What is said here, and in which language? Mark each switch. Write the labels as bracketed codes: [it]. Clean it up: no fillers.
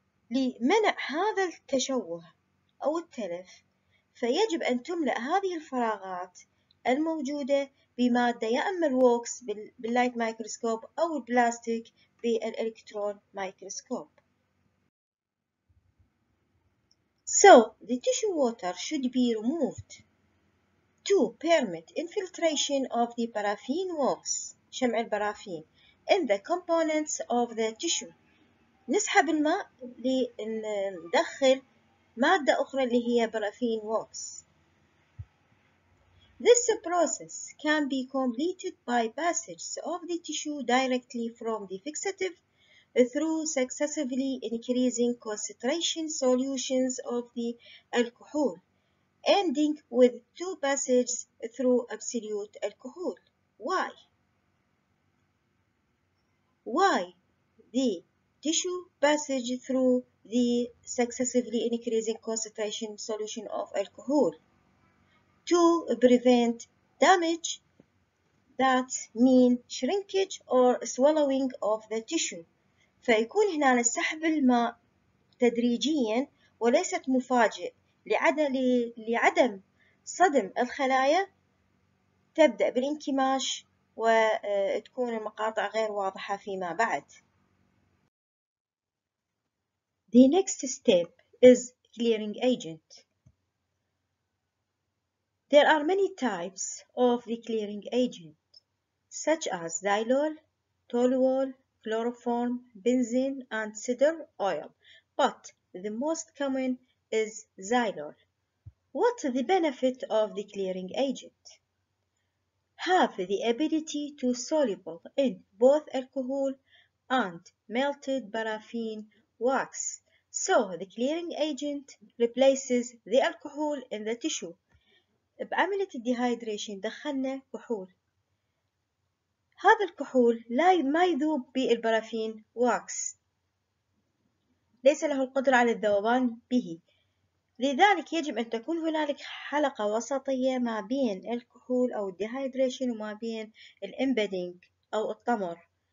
[ar] لمنع هذا التشوه أو التلف فيجب أن تملأ هذه الفراغات الموجودة بمادة، يا أما الووكس باللايت مايكروسكوب أو البلاستيك بالإلكترون مايكروسكوب. [en] So the tissue water should be removed to permit infiltration of the paraffin wax, [ar] شمع البرافين, [en] in the components of the tissue. [ar] نسحب الماء لندخل مادة أخرى اللي هي برافين wax. [en] This process can be completed by passage of the tissue directly from the fixative through successively increasing concentration solutions of the alcohol, ending with two passages through absolute alcohol. Why? Why the tissue passage through the successively increasing concentration solution of alcohol? To prevent damage that mean shrinkage or swallowing of the tissue. [ar] فيكون هنا السحب الماء تدريجيا وليست مفاجئ لعدم صدم الخلايا تبدأ بالانكماش وتكون المقاطع غير واضحة فيما بعد. [en] The next step is clearing agent. There are many types of the clearing agent, such as xylol, toluol, chloroform, benzene, and cedar oil, but the most common is xylol. What the benefit of the clearing agent? Have the ability to soluble in both alcohol and melted paraffin wax. So the clearing agent replaces the alcohol in the tissue. [ar] بعملية الديهايدريشن دخلنا كحول. هذا الكحول لا ما يذوب بالبرافين واكس. ليس له القدرة على الذوبان به. لذلك يجب أن تكون هنالك حلقة وسطية ما بين الكحول أو الديهايدريشن وما بين الإمبيدينج أو التمر.